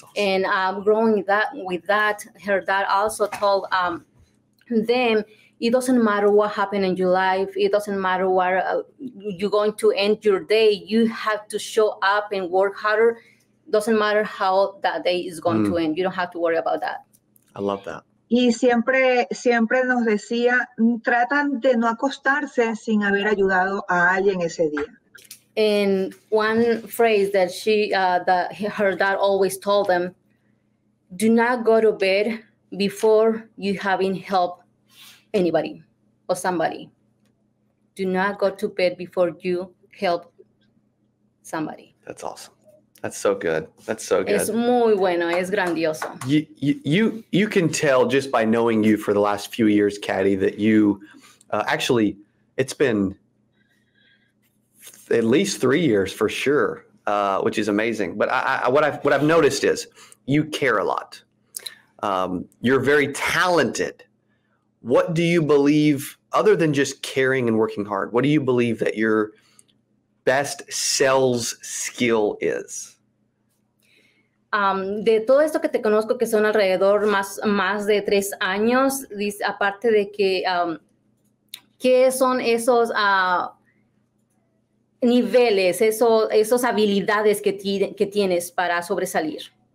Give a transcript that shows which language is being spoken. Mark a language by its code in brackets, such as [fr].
[en] And growing that with that, her dad also told them, it doesn't matter what happened in your life. It doesn't matter what you're going to end your day. You have to show up and work harder. Doesn't matter how that day is going to end. You don't have to worry about that. I love that. [es] Y siempre nos decía, tratan de no acostarse sin haber ayudado a alguien ese día. [en] And one phrase that her dad always told them, do not go to bed before you haven't helped anybody or somebody. Do not go to bed before you help somebody. That's awesome. That's so good. That's so good. [es] Es muy bueno. Es grandioso. [en] You can tell just by knowing you for the last few years, Caddy, that you actually, it's been at least 3 years for sure, which is amazing. But what I've noticed is you care a lot. You're very talented. What do you believe, other than just caring and working hard, what do you believe that you're best sales skill is? [es] De todo esto que te conozco, que son alrededor más de 3 años, dice, aparte de que, ¿qué son esos niveles, esos habilidades que tienes para sobresalir?